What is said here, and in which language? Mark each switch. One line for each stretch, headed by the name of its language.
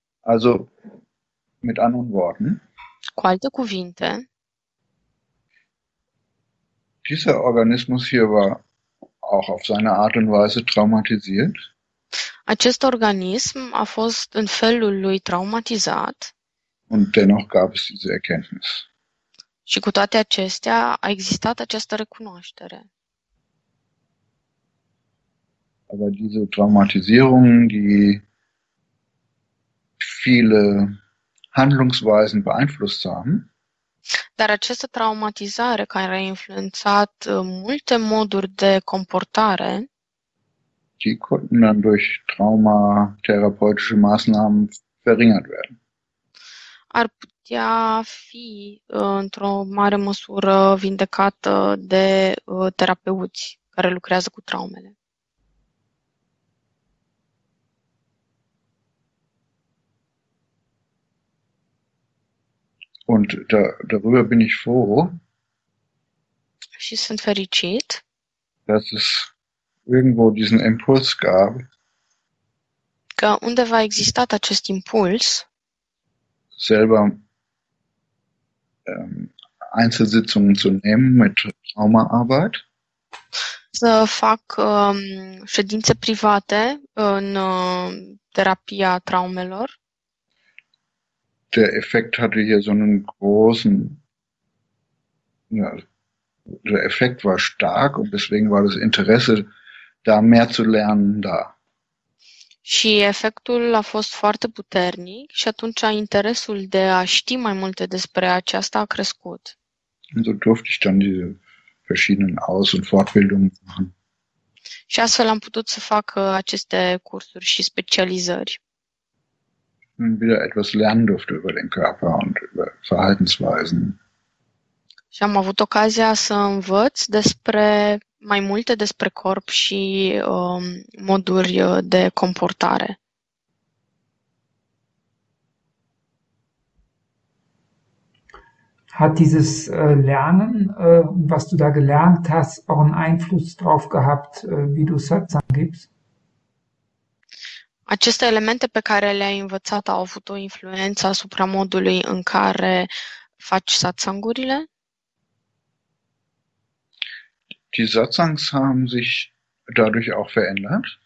German: Also, mit anderen Worten,
Romanian: Cu alte cuvinte,
German: dieser Organismus hier war auch auf seine Art und Weise traumatisiert.
Romanian: acest organism a fost în felul lui traumatizat
German: Und dennoch gab es diese Erkenntnis.
Romanian: și cu toate acestea a existat această recunoaștere.
German: Aber diese Traumatisierung, die viele Handlungsweisen beeinflusst haben,
Romanian: Dar această traumatizare care a influențat multe moduri de comportare,
German: die konnten dann durch traumatherapeutische Maßnahmen verringert werden.
Romanian: ar putea fi într-o mare măsură vindecată de terapeuți care lucrează cu traumele.
German: Und darüber bin ich froh,
Romanian: Și sunt fericit
German: dass es irgendwo diesen Impuls gab,
Romanian: că undeva a existat acest impuls.
German: selber Einzelsitzungen zu nehmen mit Traumaarbeit.
Romanian: Să fac ședințe private în terapia traumelor.
German: Der Effekt hatte hier so einen großen, ja, der Effekt war stark und deswegen war das Interesse, da mehr zu lernen, da.
Romanian: Și efectul a fost foarte puternic și atunci interesul de a ști mai multe despre aceasta a crescut.
German: Und so durfte ich dann diese verschiedenen Aus- und Fortbildungen machen.
Romanian: Și astfel am putut să fac aceste cursuri și specializări.
German: Wieder etwas lernen durfte über den Körper und über Verhaltensweisen.
Romanian: Și am avut ocazia să învăț despre mai multe despre corp și moduri de comportare.
German: Hat dieses Lernen, was du da gelernt hast, auch einen Einfluss darauf gehabt, wie du Satsang gibst?
Romanian: Aceste elemente pe care le-ai învățat au avut o influență asupra modului în care faci satsangurile?
German: Die Satsangs haben sich dadurch auch verändert.